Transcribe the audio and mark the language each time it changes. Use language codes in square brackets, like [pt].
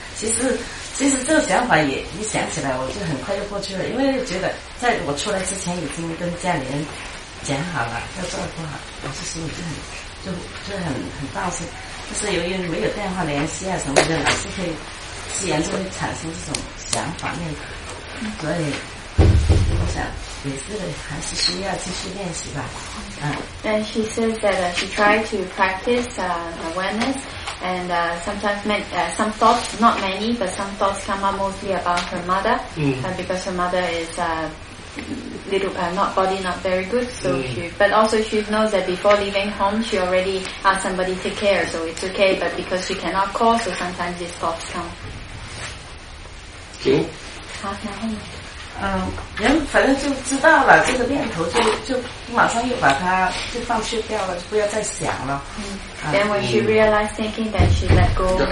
[zh] 其实这个想法也一想起来，我就很快就过去了，因为就觉得在我出来之前已经跟家里人讲好了，要照顾好，我就心里就很放心。就是由于没有电话联系啊什么的，老是会自然就会产生这种想法念头，所以我想也是还是需要继续练习吧。 [en] And she says that she tried to practice awareness, and sometimes some thoughts, not many, but some thoughts come up mostly about her mother, because her mother is not very good, so but also she knows that before leaving home she already asked somebody to take care, so it's okay, but because she cannot call, so sometimes these thoughts come. Okay. [zh] 好，然后反正就知道了这个念头，就马上又把它就放弃掉了，就不要再想了。 [en] Then when she realized thinking, then she let go.